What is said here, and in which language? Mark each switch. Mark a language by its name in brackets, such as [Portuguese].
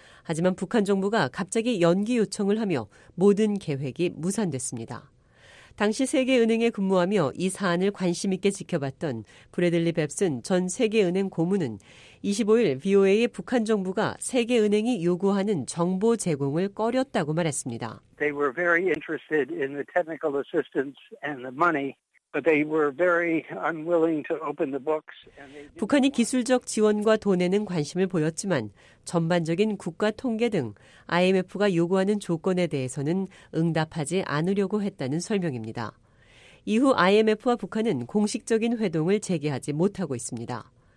[Korean] 하지만 북한 정부가 갑자기 연기 요청을 하며 모든 계획이 무산됐습니다. 당시 세계은행에 근무하며 이 사안을 관심 있게 지켜봤던 브래들리 뱁슨 전 세계은행 고문은 25일 VOA의 북한 정부가 세계은행이 요구하는 정보 제공을 꺼렸다고 말했습니다. [English] They were very interested in the technical assistance and the money. But they were very unwilling to open the books. [Korean] 북한이 기술적 지원과 돈에는 관심을 보였지만 전반적인 국가 통계 등 IMF가 요구하는 조건에 대해서는 응답하지 않으려고 했다는 설명입니다. 이후 IMF와 북한은 공식적인 회동을 재개하지 못하고 있습니다.